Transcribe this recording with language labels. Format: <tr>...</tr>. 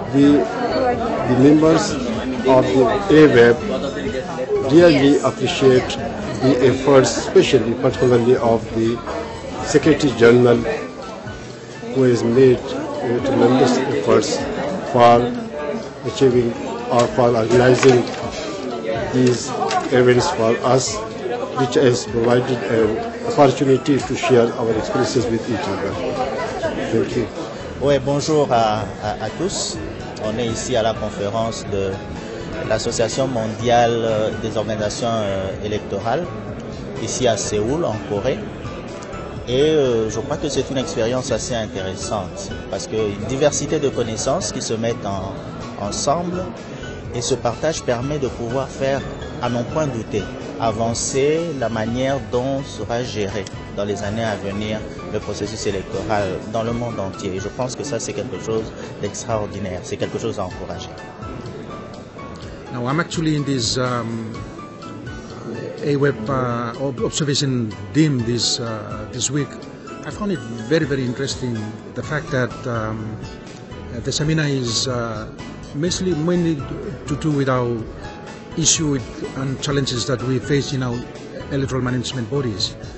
<en>The members of the AWEB really appreciate the efforts, especially particularly of the Secretary General, who has made tremendous efforts for achieving or for organizing these events for us, which has provided an opportunity to share our experiences with each other. Thank you.</en> <fr>Oui, bonjour à tous. On est ici à la conférence de l'Association mondiale des organisations électorales, ici à Séoul, en Corée. Et je crois que c'est une expérience assez intéressante parce qu'une diversité de connaissances qui se mettent ensemble et ce partage permet de pouvoir faire, à mon point de vue, avancer la manière dont sera géré dans les années à venir le processus électoral dans le monde entier. Et je pense que ça, c'est quelque chose d'extraordinaire, c'est quelque chose à encourager.</fr> <en>Now I'm actually in this AWEB observation team this week. I found it very, very interesting the fact that the seminar is mainly to do with our issue and challenges that we face in our electoral management bodies.</en>